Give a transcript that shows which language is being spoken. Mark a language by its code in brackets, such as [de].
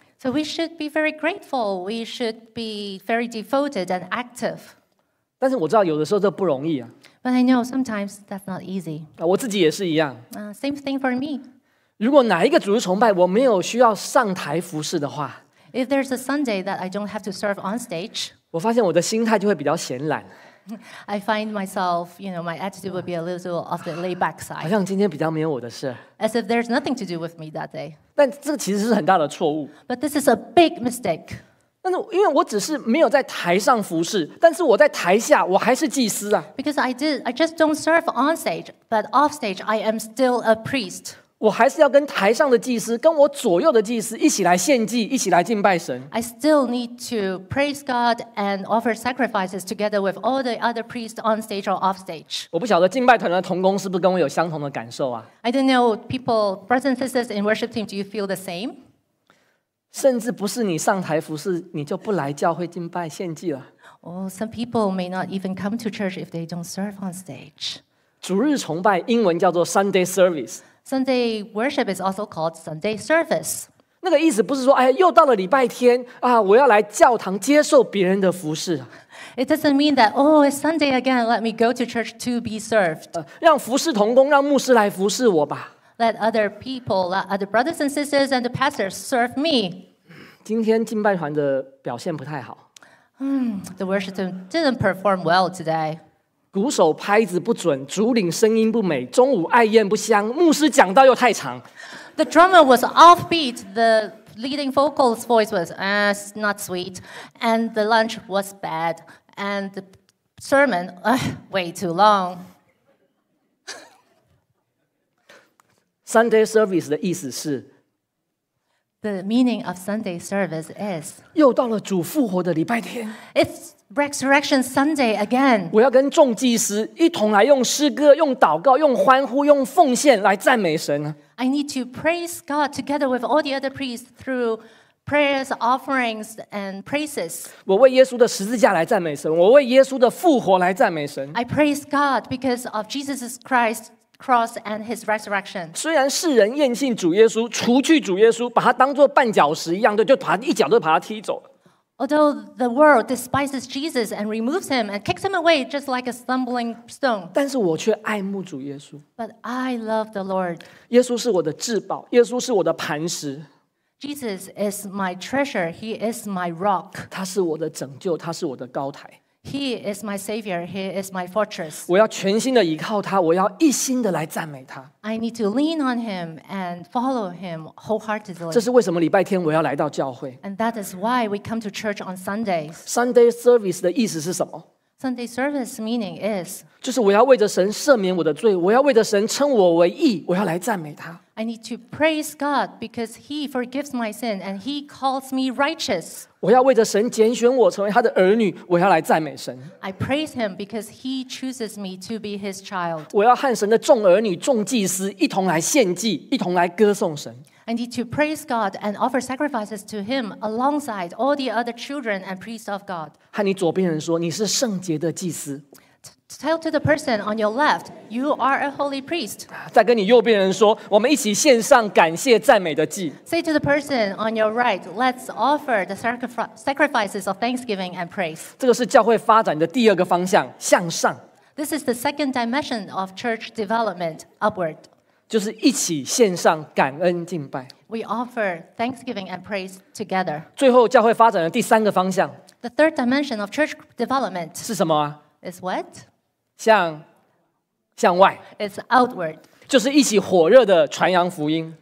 [en] So we should be very grateful. We should be very devoted and active. [zh] 但是我知道有的时候这不容易啊。 [en] But I know sometimes that's not easy. [zh] 我自己也是一样。 [en] Same thing for me. [zh] 如果哪一个主日崇拜我没有需要上台服事的话， [en] If there's a Sunday that I don't have to serve on stage, [zh] 我发现我的心态就会比较闲懒。 [en] I find myself, you know, my attitude would be a little of the laid-back side. [zh] 好像今天比较没有我的事。 [en] As if there's nothing to do with me that day. [zh] 但这其实是很大的错误。 [en] But this is a big mistake. [zh] 但是因为我只是没有在台上服事，但是我在台下我还是祭司啊。 [en] Because I just don't serve on stage, but off stage I am still a priest. [zh] 我还是要跟台上的祭司，跟我左右的祭司一起来献祭，一起来敬拜神。 [en] I still need to praise God and offer sacrifices together with all the other priests on stage or off stage. [zh] 我不晓得敬拜团的同工是不是跟我有相同的感受啊。 [en] I don't know, people, brothers and sisters in worship team, do you feel the same? [zh] 甚至不是你上台服事，你就不来教会敬拜献祭了。 [en] Oh, some people may not even come to church if they don't serve on stage. [zh] 主日崇拜英文叫做 Sunday service. [en] Sunday worship is also called Sunday service. [zh] 那个意思不是说，哎，又到了礼拜天啊，我要来教堂接受别人的服事。 [en] It doesn't mean that, oh, it's Sunday again. Let me go to church to be served. [zh] 让服事同工，让牧师来服事我吧。 [en] Let other people, let other brothers and sisters and the pastors serve me. [zh] 今天敬拜团的表现不太好。 [en] The worship team didn't perform well today. [zh] 鼓手拍子不准，主领声音不美，中午爱宴不香，牧师讲道又太长。 [en] The drummer was offbeat, the leading vocals voice was not sweet, and the lunch was bad, and the sermon way too long. [zh] Sunday service 的意思是 [en] The meaning of Sunday service is [zh] 又到了主复活的礼拜天 [en] It's Resurrection Sunday again [zh] 我要跟众祭司一同来用诗歌用祷告用欢呼用奉献来赞美神 [en] I need to praise God together with all the other priests through prayers, offerings, and praises [zh] 我为耶稣的十字架来赞美神我为耶稣的复活来赞美神 [en] I praise God because of Jesus Christ's cross and his resurrection. [zh] 虽然世人厌弃主耶稣，除去主耶稣，把他当作绊脚石一样的，就把他一脚就把他踢走了。 [en] Although the world despises Jesus and removes him and kicks him away just like a stumbling stone. [zh] 但是我却爱慕主耶稣。 [en] But I love the Lord. [zh] 耶稣是我的至宝，耶稣是我的磐石。 [en] Jesus is my treasure. He is my rock. [zh] 他是我的拯救，他是我的高台。 [en] He is my savior. He is my fortress. [zh] 我要全心的依靠他，我要一心的来赞美他。 [en] I need to lean on him and follow him wholeheartedly. [zh] 这是为什么礼拜天我要来到教会。 [en] And that is why we come to church on Sundays. [zh] Sunday service 的意思是什么？ [en] Sunday service meaning is [zh] 就是我要为着神赦免我的罪我要为着神称我为义我要来赞美他 [en] I need to praise God because he forgives my sin and he calls me righteous [zh] 我要为着神拣选我成为他的儿女我要来赞美神 [en] I praise him because he chooses me to be his child [zh] 我要和神的众儿女众祭司一同来献祭一同来歌颂神 [en] I need to praise God and offer sacrifices to Him alongside all the other children and priests of God. [zh] 和你左边人说，你是圣洁的祭司。 [en] Tell to the person on your left, you are a holy priest. [zh] 再跟你右边人说，我们一起献上感谢赞美的祭。 [en] Say to the person on your right, let's offer the sacrifices of thanksgiving and praise. [zh] 这个是教会发展的第二个方向，向上。 [en] This is the second dimension of church development, upward. [zh] 就是一起献上感恩敬拜。 [en] We offer thanksgiving and praise together. [zh] 最后，教会发展的第三个方向。 [en] The third dimension of church development [zh] 是什么啊 [en] ？Is what? [zh] 向外。 [en] It's outward. [zh] 就是一起火热的传扬福音。